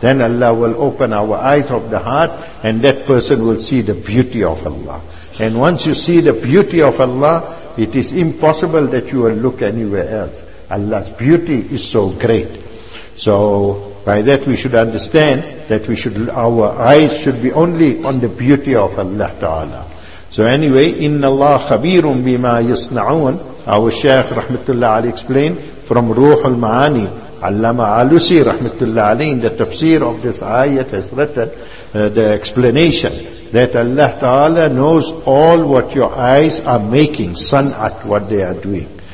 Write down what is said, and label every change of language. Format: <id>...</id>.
<en>Then Allah will open our eyes of the heart, and that person will see the beauty of Allah. And once you see the beauty of Allah, it is impossible that you will look anywhere else. Allah's beauty is so great. So by that we should understand that our eyes should be only on the beauty of Allah Ta'ala. So anyway,</en> <ar>إِنَّ اللَّهَ خَبِيرٌ بِمَا يَصْنَعُونَ.</ar> <en>Our Shaykh Rahmatullah Ali explained from Ruhul Ma'ani, Allama Alusi Rahmatullah Ali, in the tafsir of this ayat has written the explanation that Allah Ta'ala knows all what your eyes are making, sun'at, what they are doing.</en>